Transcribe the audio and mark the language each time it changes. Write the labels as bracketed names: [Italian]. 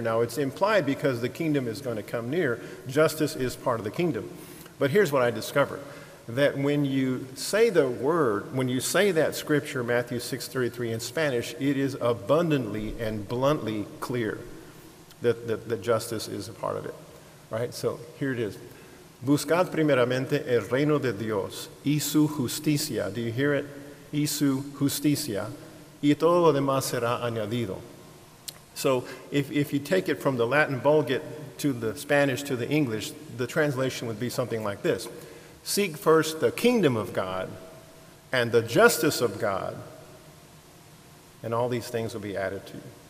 [English] Now, it's implied because the kingdom is going to come near. Justice is part of the kingdom. But here's what I discovered, that when you say the word, when you say that scripture, Matthew 6:33 in Spanish, it is abundantly and bluntly clear that justice is a part of it. Right? So here it is. [Spanish] Buscad primeramente el reino de Dios y su justicia. [English] Do you hear it? [Spanish] Y su justicia, y todo lo demás será añadido. [English] So if you take it from the Latin Vulgate to the Spanish to the English, the translation would be something like this. Seek first the kingdom of God and the justice of God, and all these things will be added to you.